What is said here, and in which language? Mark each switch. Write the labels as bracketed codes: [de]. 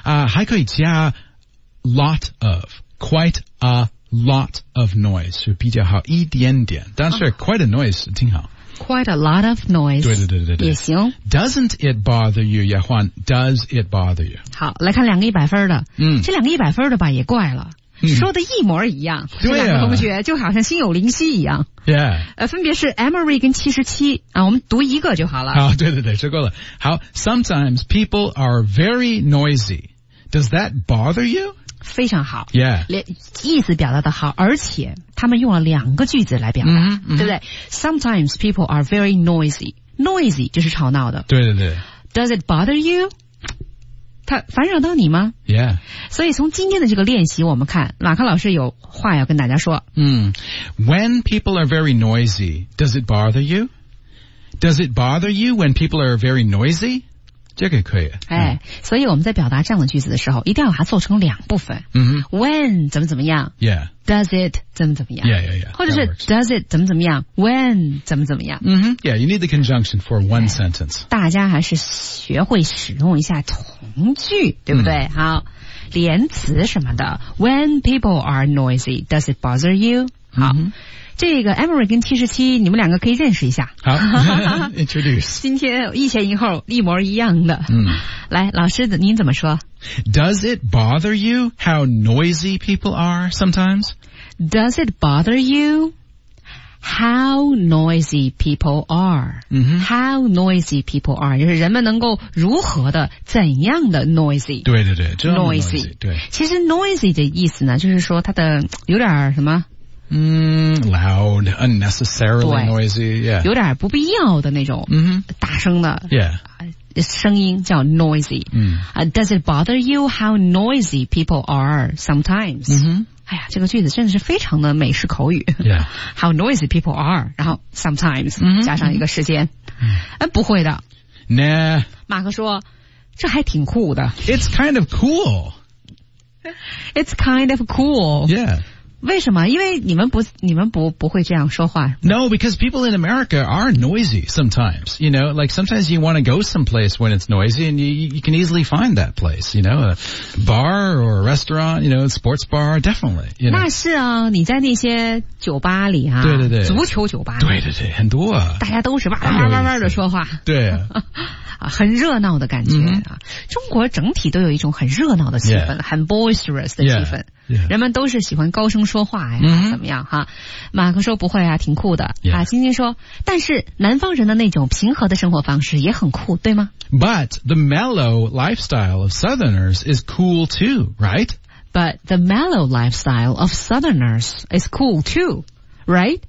[zh] 还可以加 lot of, [en] quite a lot of noise, [zh] 是比较好一点点。但是、oh. [en] quite a noise 挺好。 Quite a lot of noise. [zh] 对对对对对。也行。 [en] Doesn't it bother you, [zh] 也换 [en] does it bother you? [zh] 好，来看两个一百分的。嗯。这两个一百分的吧，也怪了。嗯、说的一模一样。对、啊。这两个同学就好像心有灵犀一样。 Yeah. 分别是 Emery 跟77。啊，我们读一个就好了。好，对对对，说够了。好 , [en] sometimes people are very noisy. Does that bother you? [zh] 非常好 yeah 意思表达的好而且他们用了两个句子来表达、 mm-hmm. 对不对 [en] sometimes people are very noisy noisy [zh] 就是吵闹的对对对 [en] does it bother you [zh] 他烦扰到你吗 yeah 所以从今天的这个练习我们看马克老师有话要跟大家说、 mm. [en] when people are very noisy does it bother you does it bother you when people are very noisy [zh] 这个可以、 [en] 嗯、 [zh] 哎，所以我们在表达这样的句子的时候一定要把它做成两部分、 mm-hmm. when 怎么怎么样 yeah does it 怎么怎么样 yeah yeah yeah 或者是 does it 怎么怎么样 when 怎么怎么样、 mm-hmm. [en] yeah you need the conjunction for one sentence [zh] 大家还是学会使用一下从句对不对、mm-hmm. 好连词什么的 [en] when people are noisy does it bother you 好、 mm-hmm. [zh] 这个 Emery 跟77你们两个可以认识一下好 introduce 今天一前一后一模一样的、嗯、来老师您怎么说 [en] Does it bother you how noisy people are sometimes? Does it bother you how noisy people are?、嗯、 how noisy people are [zh] 就是人们能够如何的怎样的 noisy 对对对这么 [en] noisy [zh] 对其实 noisy 的意思呢就是说它的有点什么 [en] loud, unnecessarily noisy, yeah. [zh] 有点不必要的那种大声的、 mm-hmm. yeah. 声音叫 noisy.、 Mm. [en] Does it bother you how noisy people are sometimes?、 Mm-hmm. [zh] 哎呀这个句子真的是非常的美式口语。 Yeah. [en] How noisy people are, 然后 sometimes,、 mm-hmm. [zh] 加上一个时间。哎不会的。 Nah. 马克说这还挺酷的。 [en] It's kind of cool. It's kind of cool. Yeah. [zh] 为什么？因为你们不会这样说话。 [en] No, because people in America are noisy sometimes. You know, like sometimes you want to go someplace when it's noisy and you can easily find that place, you know, a bar or a restaurant, you know, a sports bar, definitely. You know. [zh] 那是啊，你在那些酒吧里啊，对对对，足球酒吧里，对对对，很多啊，大家都是哇的说话，对啊。啊，很热闹的感觉啊！Mm-hmm. 中国整体都有一种很热闹的气氛， yeah. 很 boisterous 的气氛。 Yeah. Yeah. 人们都是喜欢高声说话呀， mm-hmm. 怎么样哈？马克说不会啊，挺酷的。 Yeah. 啊，晶晶说，但是南方人的那种平和的生活方式也很酷，对吗 [en] ？But the mellow lifestyle of Southerners is cool too, right? But the mellow lifestyle of Southerners is cool too, right?